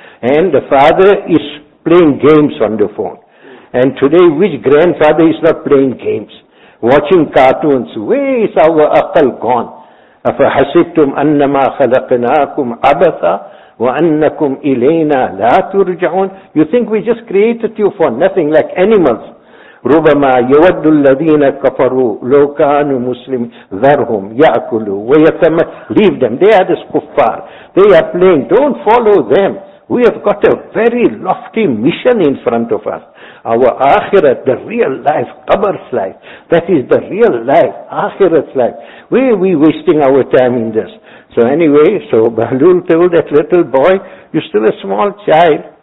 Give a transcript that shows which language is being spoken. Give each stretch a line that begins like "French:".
English: And the father is playing games on the phone. And today which grandfather is not playing games? Watching cartoons. Where is our aqal gone?
Arabic: أَفَحَسِبْتُمْ أَنَّمَا خَلَقْنَاكُمْ عَبَثًا وَأَنَّكُمْ إِلَيْنَا لَا تُرْجَعُونَ
English: You think we just created you for nothing like animals.
Arabic: رُبَمَا يَوَدُّ الَّذِينَ كَفَرُوا لَوْ كَانُوا مُسْلِمِينَ ذَرْهُمْ يَأْكُلُوا وَيَتَمَتَّعُوا
English: Leave them. They are this kuffar. They are playing. Don't follow them. We have got a very lofty mission in front of us. Our akhirat, the real life, qabr's life. That is the real life, akhirat's life. Why are we wasting our time in this? So anyway, so Bahlul told that little boy, you're still a small child.